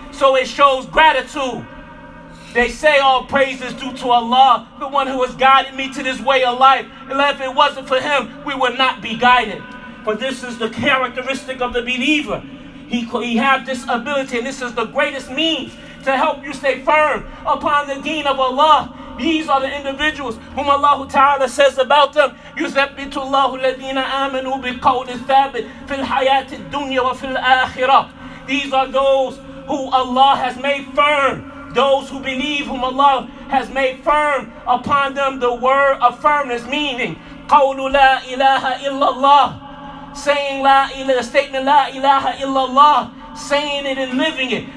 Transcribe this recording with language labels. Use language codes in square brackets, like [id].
[en] So it shows gratitude. They say all praise is due to Allah, the one who has guided me to this way of life. And if it wasn't for Him, we would not be guided. But this is the characteristic of the believer. He have this ability, and this is the greatest means to help you stay firm upon the deen of Allah. These are the individuals whom Allah Ta'ala says about them, [ar] يُثَبِّتُ اللَّهُ الَّذِينَ آمَنُوا بِقَوْلِ الثَّابِتِ فِي الْحَيَاةِ الدُّنْيَا وَفِي الْآخِرَةِ. [en] These are those who Allah has made firm. Those who believe, whom Allah has made firm upon them the word of firmness, meaning [ar] قَوْلُ لَا إِلَهَ إِلَّا اللَّهِ, [en] saying [ar] لا إله, [en] statement [ar] لَا إِلَهَ إِلَّا اللَّهِ, [en] saying it and living it.